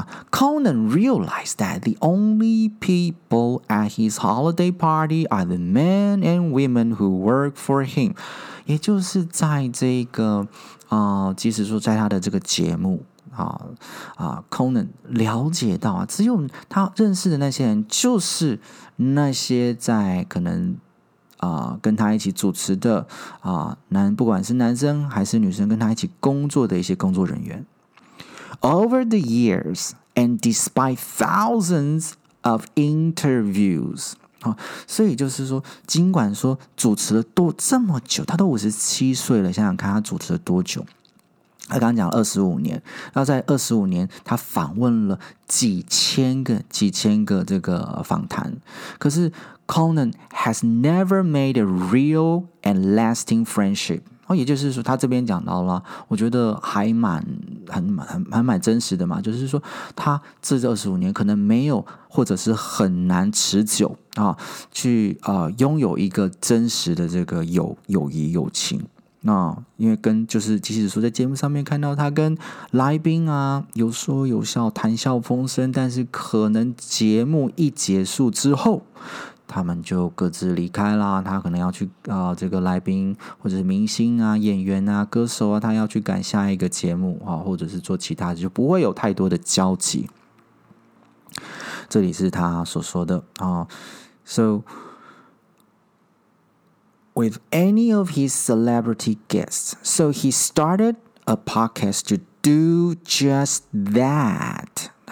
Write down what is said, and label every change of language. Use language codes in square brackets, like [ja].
[en] Conan realized that the only people at his holiday party are the men and women who work for him. [zh] 也就是在这个即使说在他的这个节目Conan 了解到啊，只有他认识的那些人，就是那些在可能跟他一起主持的不管是男生还是女生，跟他一起工作的一些工作人员。 [en] Over the years, and despite thousands of interviews, [zh] 所以就是说，尽管说主持了多这么久，他都57岁了，想想看他主持了多久。他刚刚讲25年，那在25年，他访问了几千个这个访谈。可是 [en] Conan has never made a real and lasting friendship. [zh] 也就是说他这边讲到了，我觉得还蛮 蛮真实的嘛，就是说他这25年可能没有或者是很难持久去拥有一个真实的这个友谊友情。因为跟就是即使说在节目上面看到他跟来宾啊有说有笑谈笑风生，但是可能节目一结束之后他们就各自离开啦，他可能要去这个来宾或者是明星啊演员啊歌手啊，他要去赶下一个节目或者是做其他的，就不会有太多的交集。这里是他所说的 [en] So with any of his celebrity guests, so he started a podcast to do just that.